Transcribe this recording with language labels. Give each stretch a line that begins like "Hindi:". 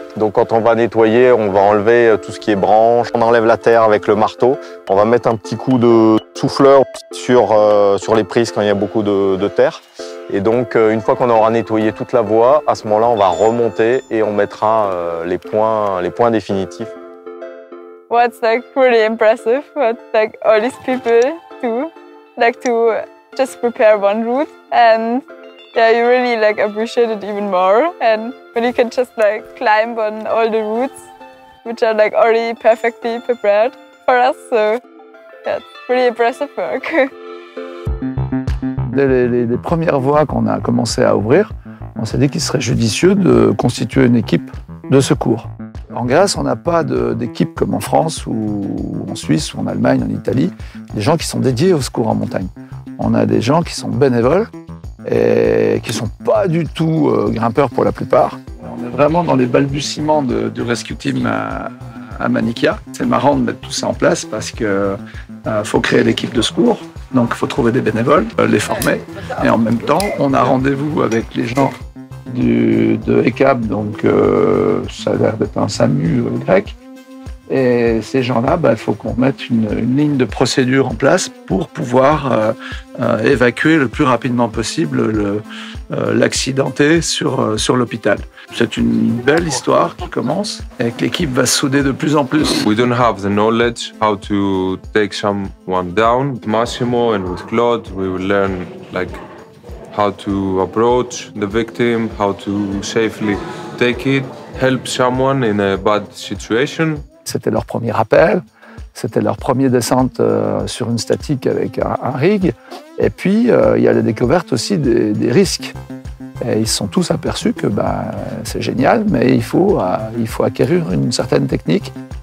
French: Donc quand on va nettoyer, on va enlever tout ce qui est branches, on enlève la terre avec le marteau, on va mettre un petit coup de souffleur sur les prises quand il y a beaucoup de terre. Et donc une fois qu'on aura nettoyé toute la voie, à ce moment-là, on va remonter et on mettra les points définitifs.
English: Well, it's like pretty impressive, but like all these people too, like to just prepare one route and yeah, you really like appreciate it even more. And when you can just like climb on all the routes, which are like already perfectly prepared for us. So yeah, it's pretty impressive work.
French: Les premières voies qu'on a commencé à ouvrir, on s'est dit qu'il serait judicieux de constituer une équipe de secours. En Grèce, on n'a pas d'équipe comme en France ou en Suisse ou en Allemagne, en Italie, des gens qui sont dédiés au secours en montagne. On a des gens qui sont bénévoles, et qui ne sont pas du tout grimpeurs pour la plupart. On est vraiment dans les balbutiements du Rescue Team à Manikia. C'est marrant de mettre tout ça en place parce qu'il faut créer l'équipe de secours, donc il faut trouver des bénévoles, les former. Et en même temps, on a rendez-vous avec les gens de ECAB, donc ça a l'air d'être un SAMU grec. Et ces gens-là, il faut qu'on mette une ligne de procédure en place pour pouvoir évacuer le plus rapidement possible l'accidenté sur l'hôpital. C'est une belle histoire qui commence et que l'équipe va se souder de plus en plus.
English: We don't have the knowledge how to take someone down. With Massimo and with Claude, we will learn like how to approach the victim, how to safely take it, help someone in a bad situation.
French: C'était leur premier appel, c'était leur première descente sur une statique avec un rig. Et puis, il y a la découverte aussi des risques. Et ils se sont tous aperçus que ben, c'est génial, mais il faut acquérir une certaine technique.